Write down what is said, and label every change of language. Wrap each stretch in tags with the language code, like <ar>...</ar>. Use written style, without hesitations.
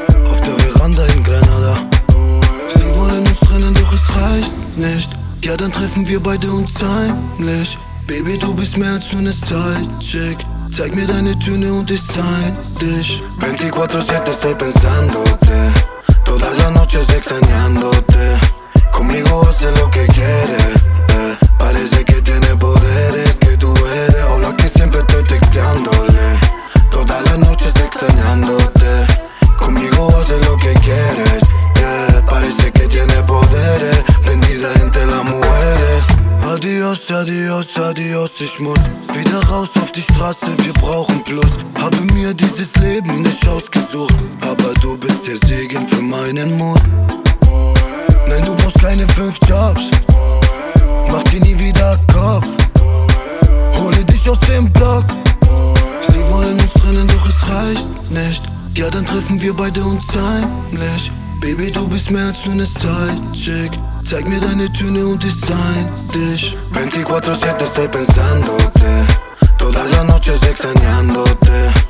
<de>Auf der Veranda in Granada. Sie wollen uns trennen, doch es reicht nicht. Ja, dann treffen wir beide uns heimlich. Baby, du bist mehr als nur eine Sidechick. Zeig mir deine Töne und ich zeig dich.</de> <es>24/7 estoy pensándote. Toda la noche extrañándote. Conmigo hace lo que quiere. Parece que tiene poderes, que tú eres. O la que siempre estoy texteándole. Toda la noche extrañándote. Conmigo hace lo que quiere. Parece que tiene poderes. Vendida entre las mujeres. Adios, adios, adios,</es> <de>ich muss wieder raus auf die Straße, wir brauchen Plus. Habe mir dieses Leben nicht ausgesucht. Aber du bist der Segen für meinen Mut. Nein, du brauchst keine 5 Jobs. Mach dir nie wieder Kopf. Hole dich aus dem Block. Sie wollen uns trennen, doch es reicht nicht. Ja, dann treffen wir beide uns heimlich. Baby, du bist mehr als nur ne Sidechick. Zeig mir deine Töne und ich sein dich.</de> <es>24/7 estoy pensándote. Toda la noche extrañándote.</es>